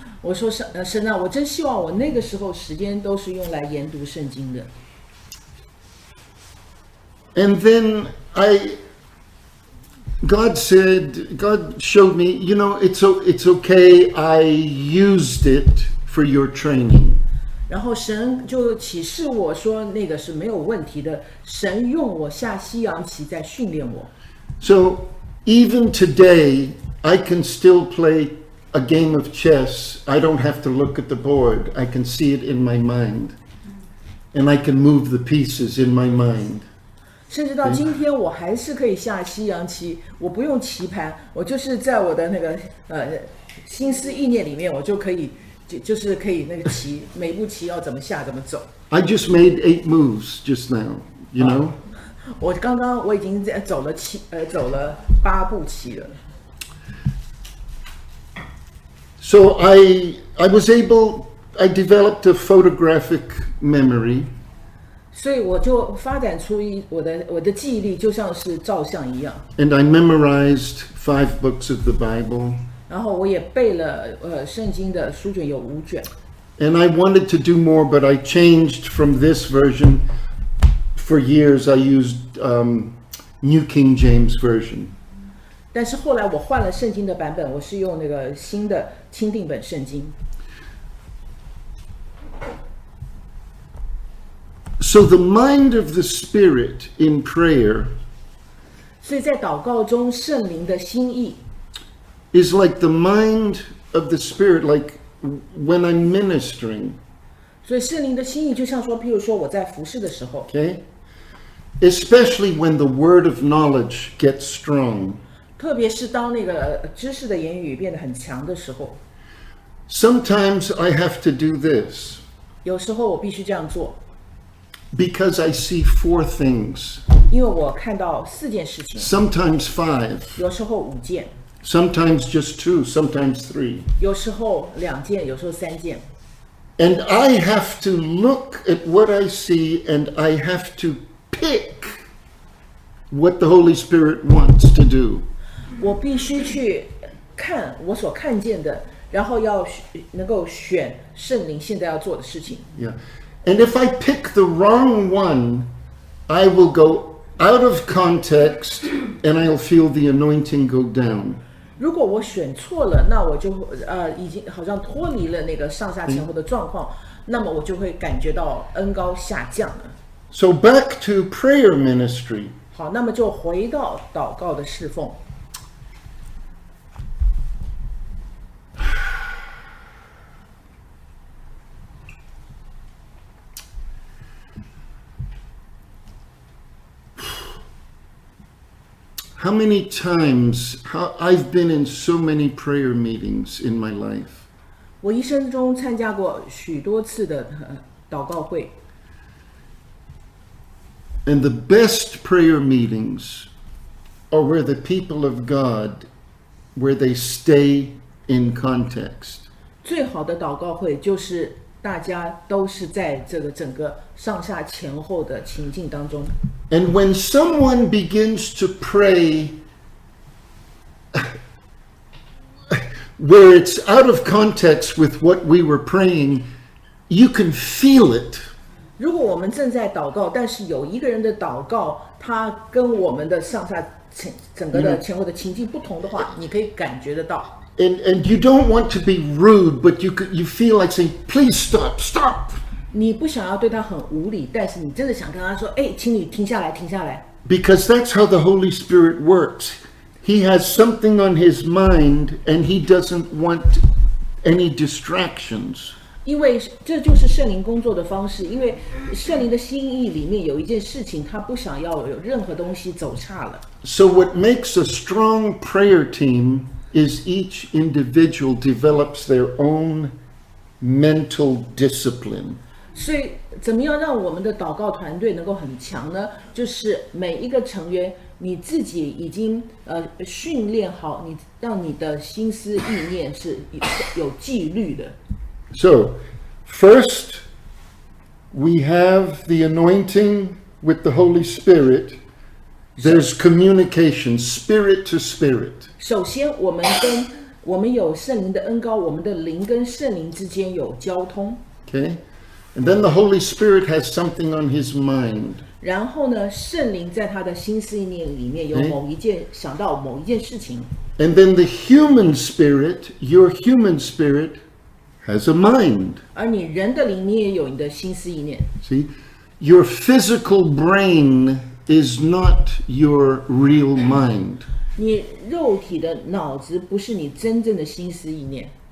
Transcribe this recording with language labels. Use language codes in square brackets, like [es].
[zh] 我说神啊，我真希望我那个时候时间都是用来研读圣经的。 [en] And then God showed me, you know, it's okay, I used it for your training. [zh] 然后神就启示我说那个是没有问题的，神用我下西洋棋在训练我。 [en] So even today, I can still playA game of chess, I don't have to look at the board. I can see it in my mind. And I can move the pieces in my mind. [zh] 甚至到今天我还是可以下西洋棋，我不用棋盘，我就是在我的那个心思意念里面，我就可以 就是可以那个棋，每步棋要怎么下怎么走。 [en] I just made 8 moves just now, you know? [zh] 我刚刚我已经走了走了八步棋了。 [en] So I was able, I developed a photographic memory. [zh] 所以我就发展出我的记忆力就像是照相一样。 [en] And I memorized 5 books of the Bible. [zh] 然后我也背了圣经的书卷有五卷。 [en] And I wanted to do more, but I changed from this version. For years I used New King James Version. [zh] 但是后来我换了圣经的版本，我是用那个新的钦定本圣经。 [en] So the mind of the Spirit in prayer, [zh] 所以在祷告中圣灵的心意 [en] is like the mind of the Spirit, like when I'm ministering. [zh] 所以圣灵的心意就像说，譬如说我在服事的时候 [en] ，Okay, especially when the word of knowledge gets strong. [zh] 特别是当那个知识的言语变得很强的时候。 [en] Sometimes I have to do this. [zh] 有时候我必须这样做。 [en] Because I see 4 things. [zh] 因为我看到四件事情。 [en] Sometimes 5. [zh] 有时候五件。 [en] Sometimes just 2, sometimes 3. [zh] 有时候两件，有时候三件。 [en] And I have to look at what I see and I have to pick what the Holy Spirit wants to do. [zh] 我必须去看我所看见的，然后要能够选圣灵现在要做的事情。 [en] Yeah, and if I pick the wrong one, I will go out of context, and I'll feel the anointing go down. [zh] 如果我选错了，那我就已经好像脱离了那个上下前后的状况，那么我就会感觉到恩膏下降了。 [en] So back to prayer ministry. [zh] 好，那么就回到祷告的侍奉。 [en] How many times I've been in so many prayer meetings in my life. [zh] 我一生中参加过许多次的祷告会。 [en] And the best prayer meetings are where the people of God, where they stay in context. [zh] 最好的祷告会就是大家都是在这个整个上下前后的情境当中。 [en] And when someone begins to pray where it's out of context with what we were praying, you can feel it. [zh] 如果我们正在祷告，但是有一个人的祷告，他跟我们的上下整个的前后的情境不同的话，你可以感觉得到。 [en] And you don't want to be rude, but you feel like saying, please stop, stop. [zh] 你不想要对他很无理，但是你真的想跟他说，哎，请你停下来，停下来。 [en] Because that's how the Holy Spirit works. He has something on his mind, and he doesn't want any distractions. [zh] 因为这就是圣灵工作的方式，因为圣灵的心意里面有一件事情，他不想要有任何东西走差了。 [en] So what makes a strong prayer team... is each individual develops their own mental discipline. [zh] 所以怎么样让我们的祷告团队能够很强呢？就是每一个成员，你自己已经训练好，你让你的心思意念是有纪律的。 [en] So, first, we have the anointing with the Holy Spirit. There's communication, spirit to spirit. [zh] 首先我们有圣灵的恩膏，我们的灵跟圣灵之间有交通。 [en] Okay, and then the Holy Spirit has something on his mind. [zh] 然后呢，圣灵在他的心思意念里面有某一件、okay? 想到某一件事情。 [en] And then the human spirit, your human spirit, has a mind. [zh] 而你人的灵，你也有你的心思意念。 [en] See, your physical brain. Is not your real mind. [zh] 你肉体的脑子不是你真正的心思意念。